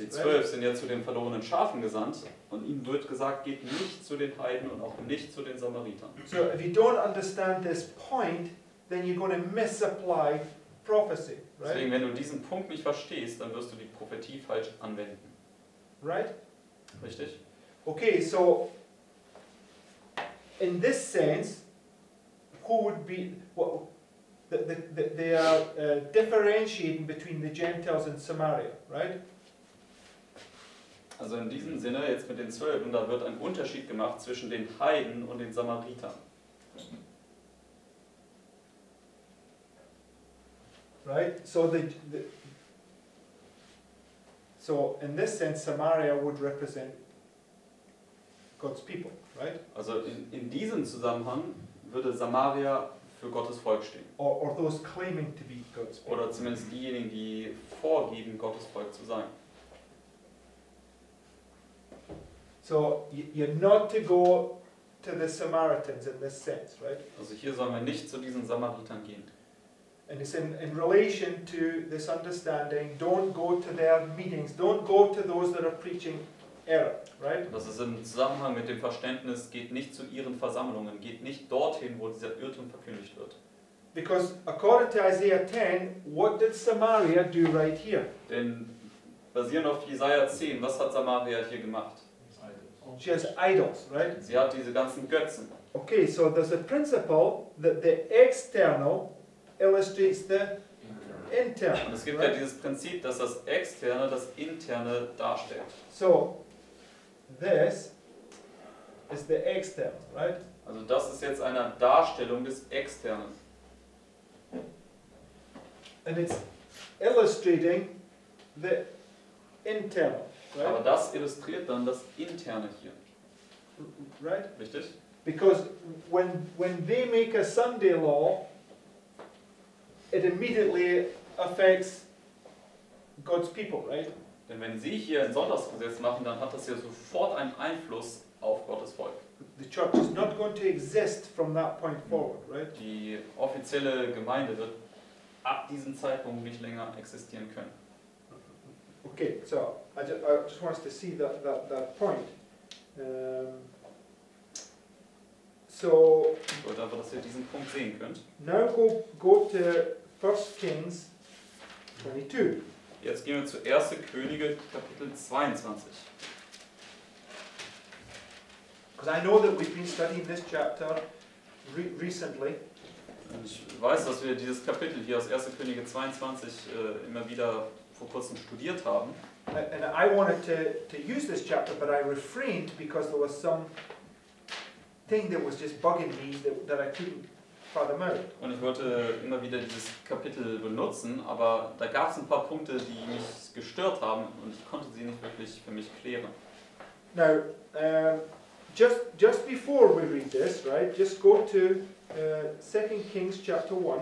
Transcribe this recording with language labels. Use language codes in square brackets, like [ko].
[de] Die 12 sind ja zu den verlorenen Schafen gesandt. Und ihnen wird gesagt, geht nicht zu den Heiden und auch nicht zu den Samaritern. [en] So, if you don't understand this point, then you're going to misapply prophecy, right? [de] Deswegen, wenn du diesen Punkt nicht verstehst, dann wirst du die Prophetie falsch anwenden. [en] Right? [de] Richtig. [en] Okay, so, in this sense, who would be, well, they are differentiating between the Gentiles and Samaria, right? [de] Also in diesem Sinne, jetzt mit den Zwölfen, da wird ein Unterschied gemacht zwischen den Heiden und den Samaritern. [en] Right? So so in this sense, Samaria would represent God's people, right? [de] Also in diesem Zusammenhang würde Samaria für Gottes Volk stehen. [en] Or those claiming to be God's people. [de] Oder zumindest diejenigen, die vorgeben, Gottes Volk zu sein. [en] So you're not to go to the Samaritans in this sense, right? [de] Also hier sollen wir nicht zu diesen Samaritern gehen. [en] And it's in relation to this understanding, don't go to their meetings, don't go to those that are preaching error, right? [de] Das ist im Zusammenhang mit dem Verständnis, geht nicht zu ihren Versammlungen, geht nicht dorthin, wo dieser Irrtum verkündigt wird. [en] Because according to Isaiah 10, what did Samaria do right here? [de] Denn basierend auf Jesaja 10, was hat Samaria hier gemacht? [en] She has idols, right? [de] Sie hat diese ganzen Götzen. [en] Okay, so there's a principle that the external illustrates the internal. [de] Und es gibt ja dieses Prinzip, dass das Externe das Interne darstellt. [en] So, this is the external, right? [de] Also das ist jetzt eine Darstellung des Externen. [en] And it's illustrating the internal. Right? [de] Aber das illustriert dann das Interne hier. [en] Right? [de] Richtig? [en] Because when they make a Sunday law, it immediately affects God's people, right? [de] Denn wenn sie hier ein Sonntagsgesetz machen, dann hat das ja sofort einen Einfluss auf Gottes Volk. [en] The church is not going to exist from that point forward, right? [de] Die offizielle Gemeinde wird ab diesem Zeitpunkt nicht länger existieren können. [en] Okay, so I just want to see that point. [de] So, ich wollte, dass ihr diesen Punkt sehen könnt. [en] Now go to 1 Kings 22. [de] Jetzt gehen wir zu 1. Könige Kapitel 22. [en] Because I know that we've been studying this chapter recently. [de] Und ich weiß, dass wir dieses Kapitel hier aus 1. Könige 22 immer wieder vor kurzem studiert haben. [en] And I wanted to use this chapter, but I refrained because there was some thing that was just bugging me that I couldn't fathom out. [de] Und ich wollte immer wieder dieses Kapitel benutzen, aber da gab es ein paar Punkte, die mich gestört haben und ich konnte sie nicht wirklich für mich klären. [en] Now, just before we read this, right, just go to 2 Kings chapter 1.